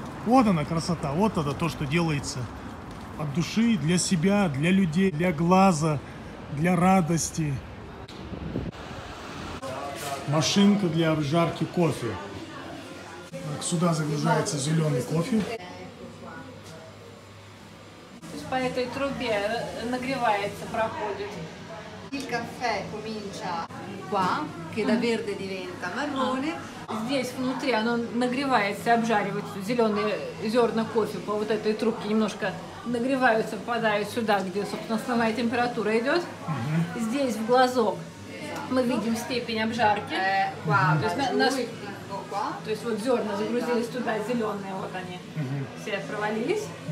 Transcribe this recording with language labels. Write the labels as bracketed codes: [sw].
[ru] Вот она красота, вот это то, что делается от души, для себя, для людей, для глаза, для радости. Машинка для обжарки кофе. Так, сюда загружается зеленый кофе. По этой трубе нагревается, проходит. [it] Il caffè comincia qua, che da verde diventa marrone. [ru] Здесь внутри оно нагревается, обжаривается. Зеленые зерна кофе по вот этой трубке немножко нагреваются, попадают сюда, где, собственно, основная температура идет. Здесь в глазок мы видим степень обжарки. То есть вот зерна загрузились туда, зеленые, вот они все провалились.